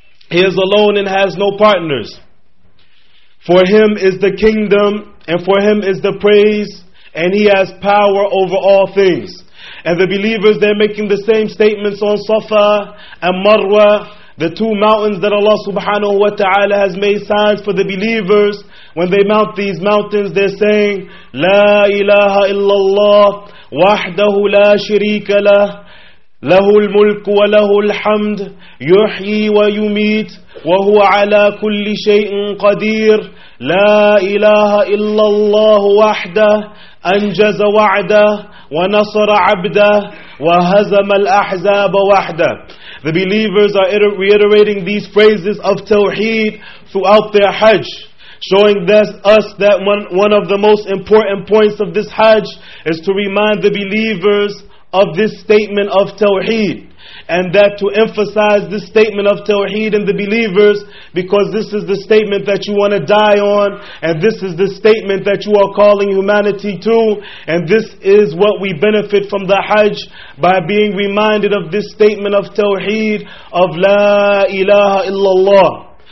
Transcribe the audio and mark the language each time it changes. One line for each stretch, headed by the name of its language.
English: He is alone and has no partners. For Him is the kingdom, and for Him is the praise, and He has power over all things. And the believers, they're making the same statements on Safa and Marwa, the two mountains that Allah subhanahu wa ta'ala has made signs for the believers. When they mount these mountains, they're saying,
Arabic: La ilaha illallah, wahdahu la sharika lah, لَهُ الْمُلْكُ وَلَهُ الْحَمْدُ يُحْيِي وَيُمِيتُ وَهُوَ عَلَى كُلِّ شَيْءٍ قَدِيرٌ لَا إِلَهَ إِلَّا اللَّهُ وَحْدَهُ أَنْجَزَ وَعْدَهُ وَنَصَرَ عَبْدَهُ وَهَزَمَ الْأَحْزَابَ وَحْدَهُ.
English: The believers are reiterating these phrases of Tawheed throughout their Hajj, showing this, us that one of the most important points of this Hajj is to remind the believers of this statement of Tawheed, and that to emphasize this statement of Tawheed in the believers, because this is the statement that you want to die on, and this is the statement that you are calling humanity to, and this is what we benefit from the Hajj, by being reminded of this statement of Tawheed, of La ilaha illallah.